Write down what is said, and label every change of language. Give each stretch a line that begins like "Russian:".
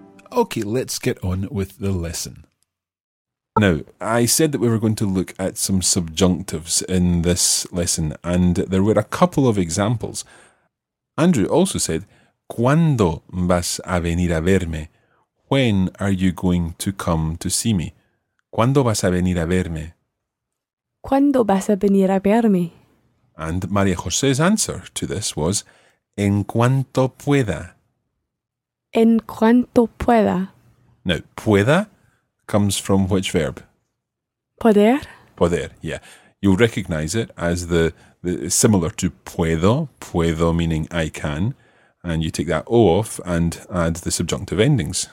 English: Okay, let's get on with the lesson. Now, I said that we were going to look at some subjunctives in this lesson, and there were a couple of examples. Andrew also said,
Spanish: ¿Cuándo vas a venir a verme?
English: When are you going to come to see me?
Spanish: ¿Cuándo vas a venir a verme? ¿Cuándo vas a venir a verme?
English: And María José's answer to this was,
Spanish: En cuanto pueda. En cuanto pueda.
English: Now, pueda comes from which verb?
Spanish: Poder. Poder, yeah.
English: You'll recognize it as the similar to puedo, puedo meaning I can, and you take that O off and add the subjunctive endings.